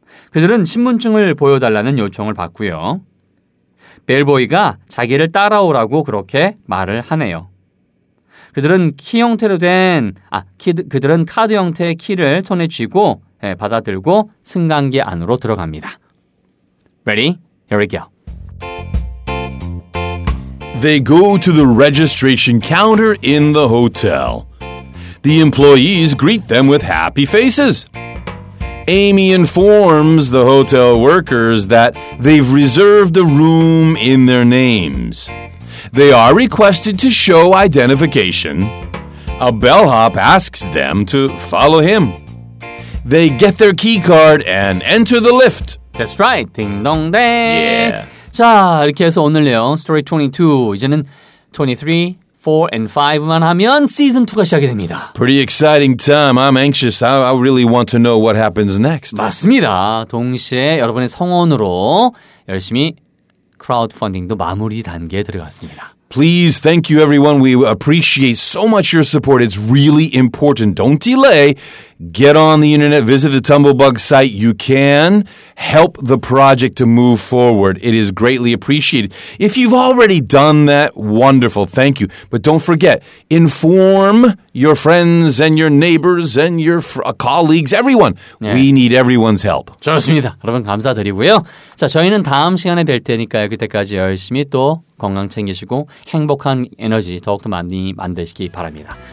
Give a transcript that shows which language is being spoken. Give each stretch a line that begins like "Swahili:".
Korean: 그들은 신분증을 보여달라는 요청을 받고요. 벨보이가 자기를 따라오라고 그렇게 말을 하네요. 그들은 키 형태로 된, 그들은 카드 형태의 키를 손에 쥐고 받아들고 승강기 안으로 들어갑니다.
English: Ready? Here we go. They go to the registration counter in the hotel. The employees greet them with happy faces. Amy informs the hotel workers that they've reserved a room in their names. They are requested to show identification. A bellhop asks them to follow him. They get their key card and enter the lift. That's right. Ding dong dang. Yeah.
Korean: 자, 이렇게 해서 오늘요. Story 22. 이제는 23. 4 and 5만 하면 시즌 2가 시작이 됩니다.
English: Pretty exciting time. I'm anxious. I really want to know what happens next.
Korean: 맞습니다. 동시에 여러분의 성원으로 열심히 크라우드펀딩도 마무리 단계에 들어갔습니다.
English: Please, thank you everyone. We appreciate so much your support. It's really important. Don't delay. Get on the internet. Visit the Tumblebug site. You can help the project to move forward. It is greatly appreciated. If you've already done that, wonderful. Thank you. But don't forget, inform your friends and your neighbors and your colleagues, everyone. Yeah. We need everyone's help.
Korean: 좋습니다. 여러분 감사드리고요. 자, 저희는 다음 시간에 뵐 테니까요. 그때까지 열심히 또 건강 챙기시고 행복한 에너지 더욱더 많이 만드시기 바랍니다.